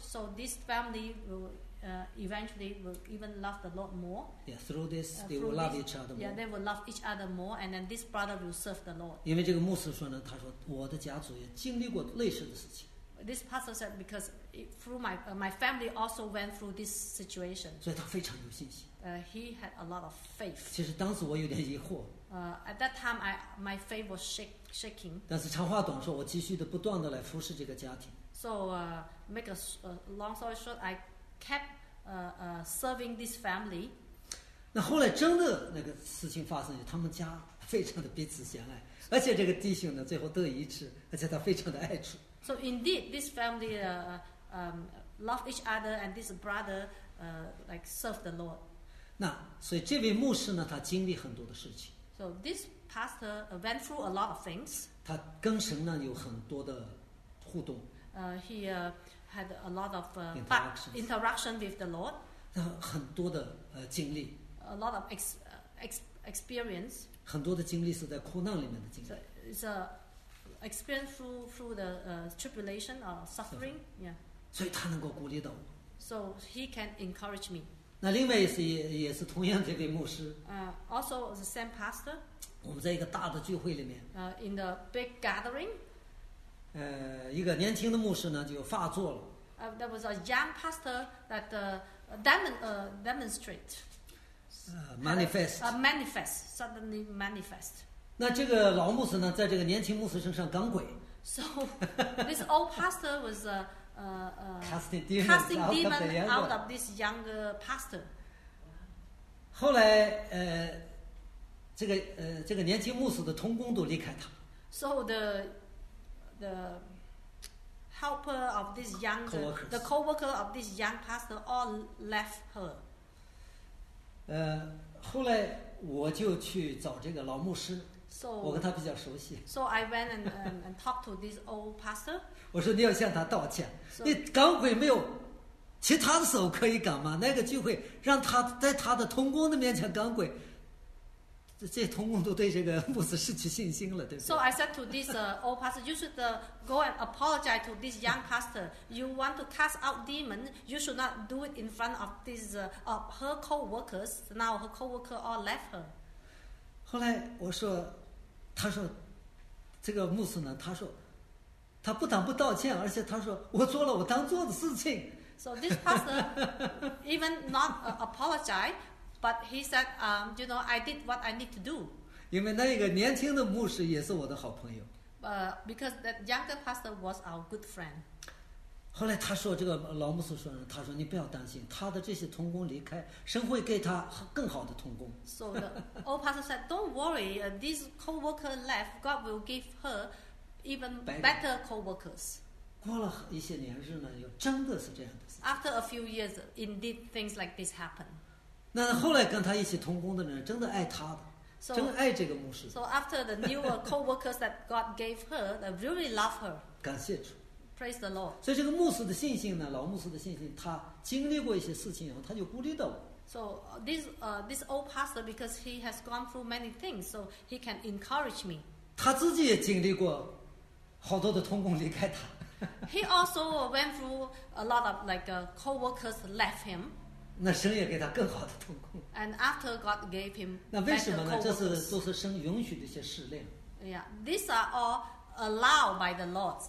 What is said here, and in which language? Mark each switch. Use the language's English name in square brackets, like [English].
[English] So this family will eventually will even love the Lord more. Yeah, through this, they through will love each other more. Yeah, they will love each other more, and then this brother will serve the Lord. [Chinese] 因为这个牧师说呢，他说我的家族也经历过类似的事情。 [English] This pastor said because through my family also went through this situation. [Chinese] 所以他非常有信心。 [English] He had a lot of faith. [Chinese] 其实当时我有点疑惑。 [English] At that time, my faith was shaking. [Chinese] 但是长话短说，我继续的不断的来服侍这个家庭。 [English] So make a long story short, I kept serving this family. [Chinese] 那后来真的那个事情发生，他们家非常的彼此相爱，而且这个弟兄呢最后得医治，而且他非常的爱主。 [English] So indeed, this family love each other, and this brother serve the Lord. [Chinese] 那所以这位牧师呢，他经历很多的事情。 [English] So this pastor went through a lot of things. [Chinese] 他跟神呢有很多的互动。 [English] He had a lot of interaction with the Lord. [Chinese] 很多的经历。 [English] A lot of experience. [Chinese] 很多的经历是在苦难里面的经历。 [English] It's a experience through the tribulation or suffering. Yeah. [Chinese] 所以他能够鼓励到我。 [English] So he can encourage me. [Chinese] 那另外也是同样这位牧师。 [English] Also the same pastor. [Chinese] 我们在一个大的聚会里面。 [English] In the big gathering. [Chinese] 一个年轻的牧师呢就发作了。 [English] There was a young pastor that demonstrate. Manifest. Manifest. Suddenly manifest. [Chinese] 那这个老牧师呢，在这个年轻牧师身上赶鬼。 [English] So this old pastor was casting demon out of this younger pastor. [Chinese] 后来这个年轻牧师的同工都离开他。 [English] So the helper of this co-worker of this young pastor all left her. [Chinese] 后来我就去找这个老牧师。 [English] So, [Chinese] 我跟他比较熟悉。 [English] So I went and talked to this old pastor. [Chinese] 我说你要向他道歉。 [English] So, [Chinese] 你赶鬼没有其他的时候可以赶吗？那个聚会让他在他的同工的面前赶鬼，这同工都对这个牧师失去信心了，对不对？ [English] So I said to this old pastor, you should go and apologize to this young pastor. You want to cast out demon, you should not do it in front of this of her co-workers. Now her co-worker all left her. [Chinese] 后来我说，他说，这个牧师呢，他说，他不但不道歉，而且他说我做了我当做的事情。 [English] So this pastor even not apologize. But he said, you know, I did what I need to do. [Chinese] 因为那个年轻的牧师也是我的好朋友。 [English] Because that younger pastor was our good friend. [Chinese] 后来他说，这个老牧师说，他说你不要担心，他的这些同工离开，神会给他更好的同工。 [English] So the old pastor said, don't worry, this co-worker left, God will give her even better co-workers. [Chinese] 过了一些年日呢，又真的是这样的。 [English] After a few years, indeed things like this happen. [Chinese] 那后来跟他一起同工的人真的爱他的 [English] so, [Chinese] 真爱这个牧师。 [English] So after the new co-workers that God gave her, they really love her. [Chinese] 感谢主。 [English] Praise the Lord. [Chinese] 所以这个牧师的信心呢，老牧师的信心，他经历过一些事情以后，他就鼓励到我。 [English] So this old pastor, because he has gone through many things, so he can encourage me. [Chinese] 他自己也经历过好多的同工离开他。 [English] He also went through a lot of co-workers left him. [Chinese] 那神也给他更好的同工。 [English] And after God gave him, [Chinese] 那为什么呢？这是都是神允许的一些试炼。 [English] Yeah, these are all allowed by the Lord.